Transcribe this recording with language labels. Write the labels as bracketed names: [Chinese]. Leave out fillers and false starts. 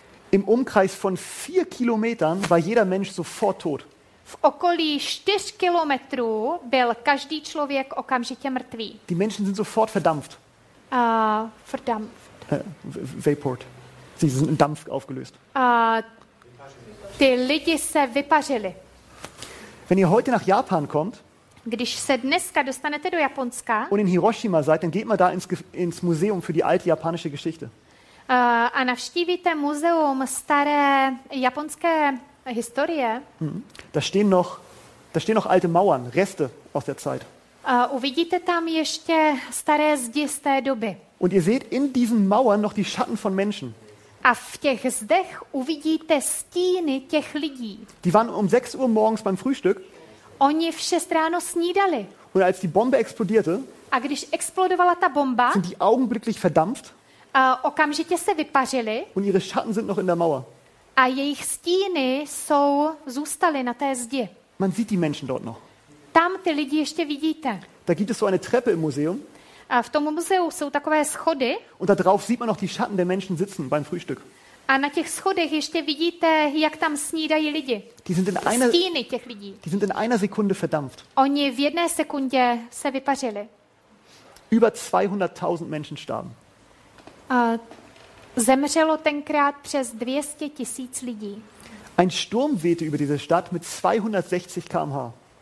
[German] Im Umkreis von 4 Kilometern war jeder Mensch sofort tot. [Czech] V okolí 4 kilometrů byl každý člověk okamžitě mrtvý. [German] Die Menschen sind sofort verdampft. Verdampft. Vaporiert. Sie sind in Dampf aufgelöst. [Czech] Ty lidi se vypařili. [German] Wenn ihr heute nach Japan kommt, [Czech] když se dneska dostanete do Japonska, [German] und in Hiroshima seid, dann geht mal da ins Museum für die alte japanische Geschichte. [Czech] A navštívíte muzeum staré japonské historie. [German] Da stehen noch alte Mauern, Reste aus der Zeit. [Czech] Uvidíte tam ještě staré zdi z té doby. [German] Und ihr seht in diesen Mauern noch die Schatten von Menschen. [Czech] A v těch zdech uvidíte stíny těch lidí. [German] Die waren um 6 Uhr morgens beim Frühstück. [Czech] Oni v 6 ráno snídali. [German] Und als die Bombe explodierte, [Czech] a když explodovala ta bomba, [German] sind die augenblicklich verdampft. [Czech] Okamžitě se vypařili. [German] Und ihre Schatten sind noch in der Mauer. [Czech] A jejich stíny jsou zůstaly na té zdi. [German] Man sieht die Menschen dort noch. [Czech] Tam ty lidi ještě vidíte. [German] Da gibt es so eine Treppe im Museum. [Czech] A v tom muzeu jsou takové schody. [German] Und da drauf sieht man noch die Schatten der Menschen sitzen beim Frühstück. [Czech] A na těch schodech ještě vidíte, jak tam snídají lidi. [German] Die sind in einer, [Czech] stíny těch lidí. [German] Die sind in einer Sekunde verdampft. [Czech] Oni v jedné sekundě se vypařili. [German] Über 200.000 Menschen starben. [Czech] Zemřelo tenkrát přes 200 tisíc lidí. [German] Ein Sturm wehte über diese Stadt mit 260 km/h.